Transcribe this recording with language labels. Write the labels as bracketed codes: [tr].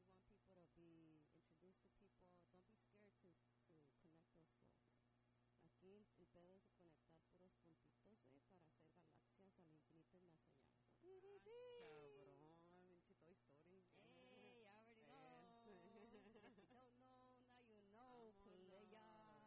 [en] If you want people to be introduced to people, don't be scared to connect those folks. [es] Aquí el pedo es conectar puros puntitos, güey, para hacer galaxias al infinito y más allá. Ay, cabrón, pinche Toy Story. [en] Hey, I already know. If you don't know, now you know, playa.